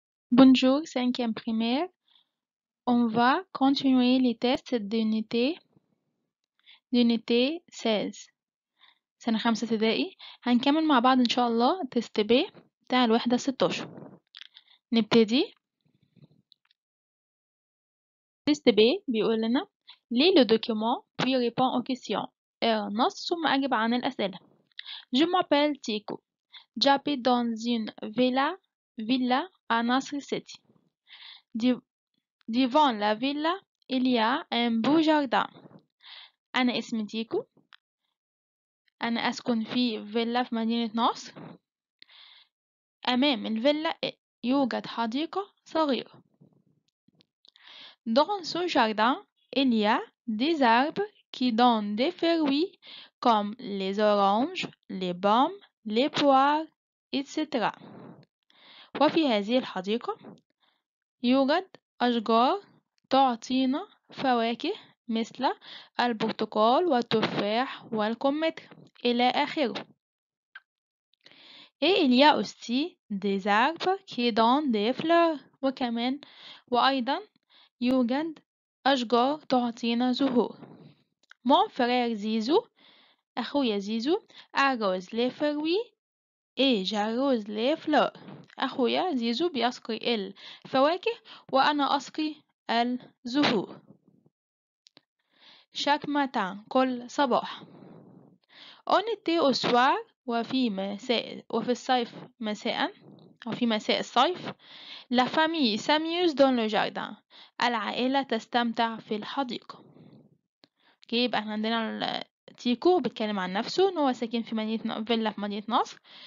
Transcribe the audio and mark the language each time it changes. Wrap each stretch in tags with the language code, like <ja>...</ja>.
<fr>Bonjour, cinquième primaire. On va continuer les tests d'unité 16.</fr> <ar>سنة خامسة ابتدائي هنكمل مع بعض إن شاء الله تيست بي بتاع الوحدة 16. نبتدي تيست بي بيقول لنا ليه لو دوكيمون بي ريبون أو كيسيون نص ثم أجب عن الأسئلة.</ar> <fr>Je m'appelle Tico. J'habite dans une villa à Nasr City. Devant la villa, il y a un beau jardin.</fr> <ar>أنا اسمي تيكو. أنا أسكن في فيلا في مدينة نصر. أمام الفيلا يوجد حديقة صغيرة.</ar> <fr>Dans ce jardin, il y a des arbres qui donnent des fruits comme les oranges, les pommes, les poires, etc.</fr> <ar>وفي هذه الحديقة يوجد أشجار تعطينا فواكه مثل البرتقال والتفاح والكمثرى إلى آخره.</ar> <fr>Et il y a aussi des arbres qui donnent des fleurs.</fr> <ar>وكمان وأيضا يوجد أشجار تعطينا زهور.</ar> <fr>Mon frère Zizou,</fr> <ar>أخويا زيزو,</ar> <fr>arrose les fruits et j'arrose les fleurs.</fr> <ar>أخويا زيزو بيسقي الفواكه وأنا أسقي الزهور.</ar> <fr>Chaque matin,</fr> <ar>كل صباح.</ar> <fr>En été au soir,</fr> <ar>وفي الصيف مساء, وفي مساء الصيف,</ar> <fr>la famille s'amuse dans le jardin.</fr> <ar>العائلة تستمتع في الحديقة. كي يبقى احنا عندنا تيكو بيتكلم عن نفسه ان هو ساكن في مدينة فيلا في مدينة نصر.</ar>